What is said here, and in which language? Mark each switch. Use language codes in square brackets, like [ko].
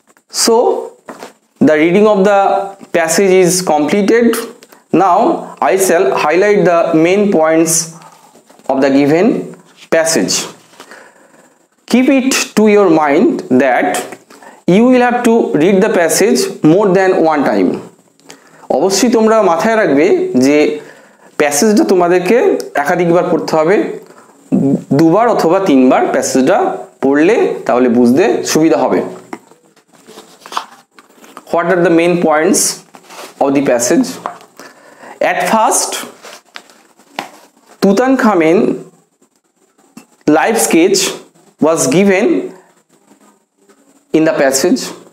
[en] So, the reading of the passage is completed. Now, I shall highlight the main points of the given passage. Keep it to your mind that you will have to read the passage more than one time. [bn] অবশ্যই তোমরা মাথায় রাখবে যে প্যাসেজটা তোমাদেরকে একাধিকবার পড়তে হবে, দুবার অথবা তিনবার প্যাসেজটা পড়লে তাহলে বুঝতে সুবিধা হবে। [en] What are the main points of the passage? At first, Tutankhamen life sketch was given in the passage.